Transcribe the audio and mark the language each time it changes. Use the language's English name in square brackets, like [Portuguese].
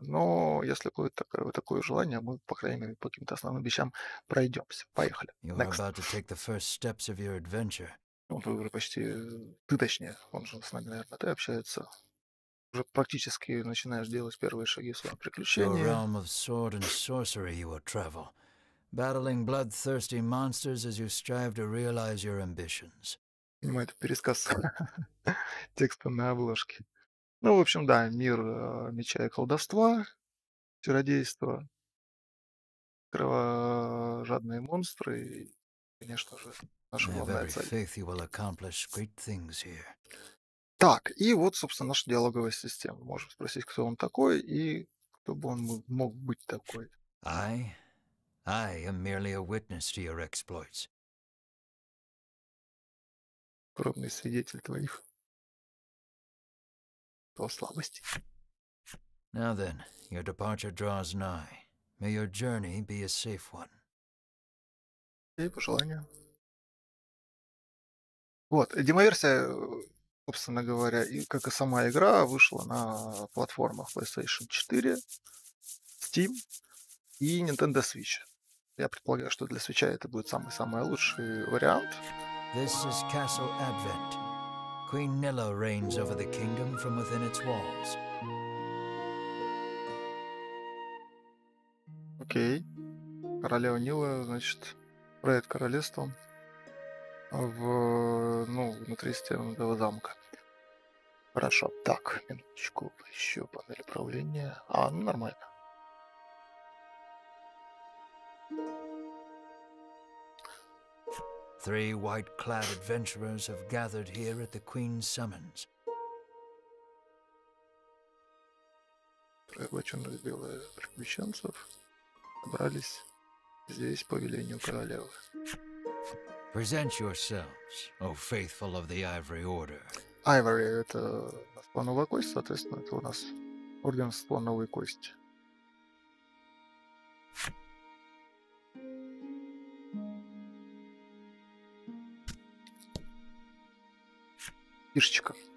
[Russian] Но если будет такое желание, мы, по крайней мере, по каким-то основным вещам пройдемся. Поехали. Next. Он же с нами, наверное, ты общается. Уже практически начинаешь делать первые шаги в своем приключении. [English] Your realm of sword and sorcery you will travel, battling bloodthirsty monsters as you strive to realize your ambitions. [Russian] Понимаю, это пересказ текста на обложке. Ну, в общем, да, мир меча и колдовства, чародейства, кровожадные монстры и, конечно же, наша главная цель. Так, и вот, собственно, наша диалоговая система. Можем спросить, кто он такой и кто бы он мог быть такой. [English] I am merely a witness to your exploits. [Russian] Кровный свидетель твоих. [English] Now then, your departure draws nigh. May your journey be a safe one. [Russian] И пожелания. Вот, демоверсия, собственно говоря, и как и сама игра, вышла на платформах PlayStation 4, Steam и Nintendo Switch. Я предполагаю, что для Switch это будет самый-самый лучший вариант. [English] This is Castle Advent. Queen Nilla reigns over the kingdom from within its walls. [Russian] Окей. Королева Нила, значит, правит королевством внутри стенного замка. Хорошо. Так, минуточку, еще панель управления. А, ну нормально. [English] Three white-clad adventurers have gathered here at the Queen's summons. [Russian] Приглашенных белых приключенцев собрались здесь по велению королевы. [English] Present yourselves, O faithful of the Ivory Order. [Russian] Ivory — это слоновая кость, соответственно, это у нас орден слоновой кости. Фишечка.